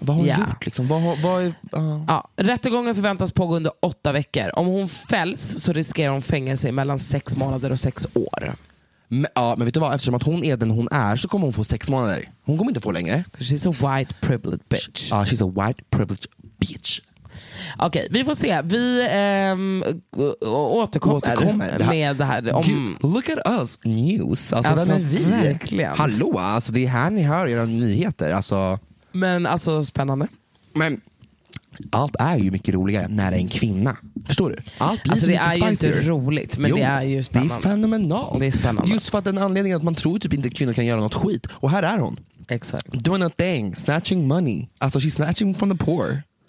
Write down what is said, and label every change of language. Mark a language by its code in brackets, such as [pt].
[sv] Vad har hon gjort liksom? Vad är Rättegången förväntas pågå under 8 veckor. Om hon fälls så riskerar hon fängelse mellan 6 månader och 6 år. Men, ja, men vet du vad? Eftersom att hon är den hon är så kommer hon få 6 månader. Hon kommer inte få längre. [en] She's a white privileged bitch. [sv] Ja, [en] she's a white privileged bitch. [sv] Okej, vi får se. Vi återkommer med det här. Om... Gud, [en] look at us, news. [sv] Alltså är vi? Verkligen. Hallå, alltså, det är här ni hör era nyheter. Alltså... Men alltså, spännande. Men allt är ju mycket roligare när det är en kvinna. Förstår du? Allt blir alltså, det är [en] spicier. [sv] Ju inte roligt, men jo, det är ju spännande. Det är fenomenalt. Det är spännande. Just för att den anledningen att man tror typ inte att kvinnor kan göra något skit. Och här är hon. Exakt. [en] Doing a thing, snatching money. [sv] Alltså, [en] she's snatching from the poor.